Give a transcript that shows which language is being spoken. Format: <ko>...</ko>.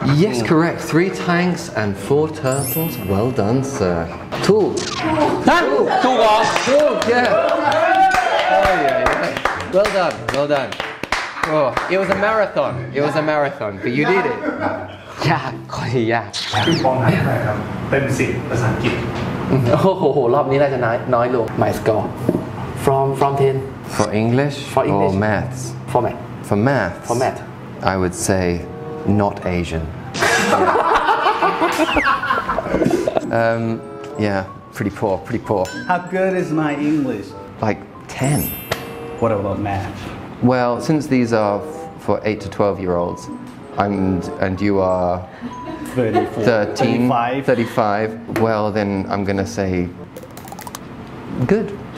<en>Yes, correct. Three tanks and four turtles. Well done, sir. Two. Two. Two. Two. Yeah. Oh, yeah. Well done. Oh, it was a marathon. But you did it.</en> <th>ยากข้อที่ยาก ปิงปองนั้นได้ครับเต็ม10ภาษาอังกฤษ โอ้โหรอบนี้น่าจะน้อยลง</th> <en>My score from 10 for English or maths for math I would say not Asian yeah pretty poor how good is my English like 10 what about math well since these are for 8 to 12 year olds and you are 35 well then I'm going to say good</en>